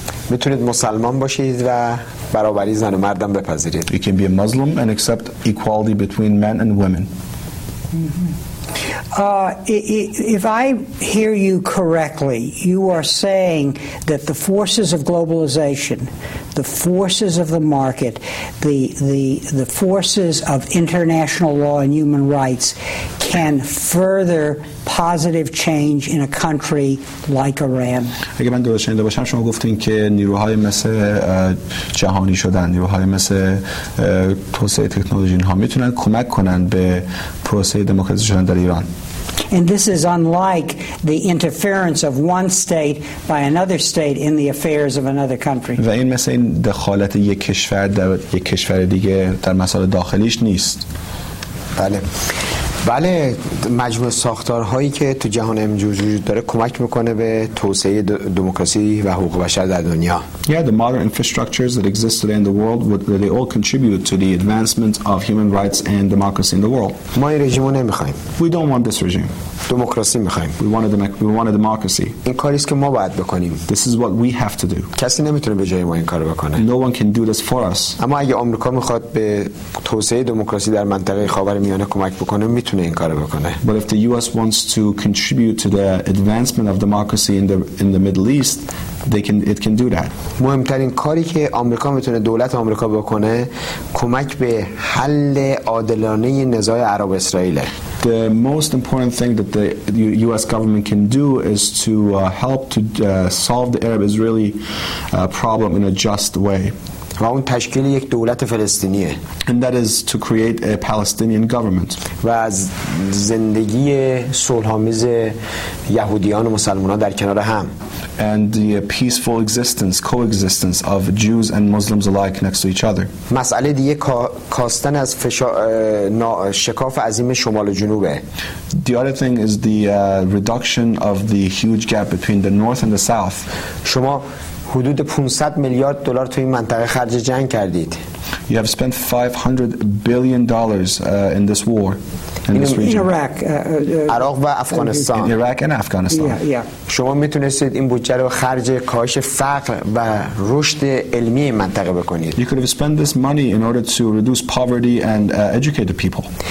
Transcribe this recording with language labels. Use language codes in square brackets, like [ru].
[fa] میتونید مسلمان باشید و برابری زن و مرد هم بپذیرید [en] you can be a Muslim and accept equality between men and women If I hear you correctly, you are saying that the forces of globalization, the forces of the market, the forces of international law and human rights can further positive change in a country like Iran. [fa] اگه من درست شنیده باشم شما گفتین که نیروهای مثل جهانی شدن، نیروهای مثل توسعه تکنولوژی ها میتونن کمک کنن به پروسه دموکراسی شدن در ایران. [en] And this is unlike the interference of one state by another state in the affairs of another country. [fa] و این مثل این دخالت یک کشور در یک کشور دیگه در مسائل داخلیش نیست. بله. بله مجموع ساختارهایی که تو جهان امروز وجود داره کمک میکنه به توسعه دموکراسی و حقوق بشر در دنیا. [en] Yeah, the modern infrastructures that exist today in the world they all contribute to the advancement of human rights and democracy in the world. [fa] ما این رژیمو نمیخوایم. [en] We don't want this regime. [fa] دموکراسی میخوایم. [en] We want a democracy. [fa] این کاری است که ما باید بکنیم. [en] This is what we have to do. [fa] کسی نمیتونه به جای ما این کارو بکنه. [en] No one can do this for us. [fa] اما اگه آمریکا میخواد به توسعه دموکراسی در منطقه خاورمیانه کمک بکنه میتونه این کارو بکنه. [en] But if the US wants to contribute to the advancement of democracy in the Middle East, it can do that. [fa] مهمترین کاری که آمریکا میتونه دولت آمریکا بکنه کمک به حل عادلانه نزاع عرب اسرائیل. [en] The most important thing that the US government can do is to help to solve the Arab-Israeli problem in a just way. [fa] و اون تشکیل یک دولت فلسطینیه. [en] And that is to create a Palestinian government. [fa] و از زندگی صلح‌آمیز یهودیان و مسلمان‌ها در کنار هم. [en] And the peaceful existence, coexistence of Jews and Muslims alike next to each other. [fa] مسئله دیگه کاستن از شکاف عظیم شمال و جنوبه. [en] The other thing is the reduction of the huge gap between the north and the south. [fa] شما حدود 500 میلیارد دلار توی این منطقه خرج جنگ کردید. [en] You have spent $500 billion in this war in this region. [fa] Iraq و افغانستان. [en] In Iraq and Afghanistan. Yeah, yeah. [fa] شما میتونستید این بودجه رو خرج کاهش فقر و رشد علمی منطقه بکنید. [en] You could have spent this money in order to reduce poverty and educate the people.